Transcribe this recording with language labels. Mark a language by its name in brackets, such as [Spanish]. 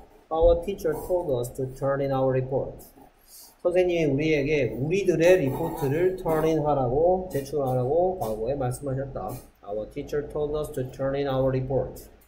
[English] Our teacher told us to turn in our report. [Korean] 선생님이 우리에게 우리들의 리포트를 turn in 하라고 제출하라고 과거에 말씀하셨다. [English] Our teacher told us to turn in our report.